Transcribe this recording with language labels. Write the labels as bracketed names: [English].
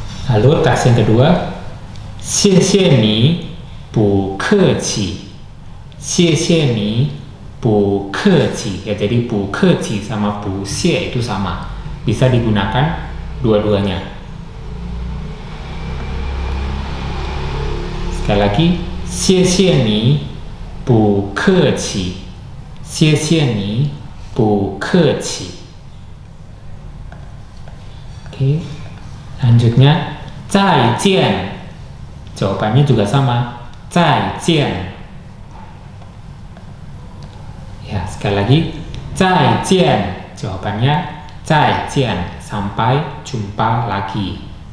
[Indonesian] Lalu teks yang kedua, [Chinese] xie xie ni, bu ke qi. 谢谢你, 不客气, [Indonesian] ya, jadi [Chinese] 不客气 [Indonesian] sama [Chinese] 不谢 [Indonesian] itu sama, bisa digunakan dua-duanya. Sekali lagi, [Chinese] 谢谢你, 不客气, 谢谢你, 不客气. [Indonesian] Oke, lanjutnya, [Chinese] 再见, [Indonesian] jawabannya juga sama, [Chinese] 再见. [Indonesian] Ya, sekali lagi, [Chinese] 再见, [Indonesian] jawabannya [Chinese] 再见, [Indonesian] sampai jumpa lagi.